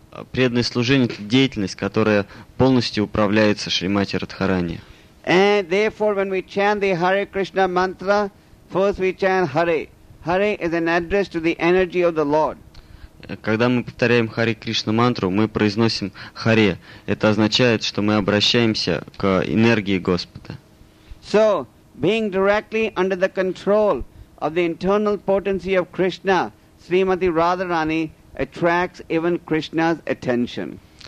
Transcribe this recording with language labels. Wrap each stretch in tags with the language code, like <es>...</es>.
<ru>Преданное служение – это деятельность, которая полностью управляется Шримати Радхарани.</ru> <en>And therefore, when we chant the Hare Krishna mantra, first we chant Hare. Hare is an address to the energy of the Lord.</en> <ru>Когда мы повторяем Hare Krishna мантру, мы произносим Hare. Это означает, что мы обращаемся к энергии Господа.</ru> <en>So, being directly under the control of the internal potency of Krishna, Srimati Radharani attracts even Krishna's attention.</en>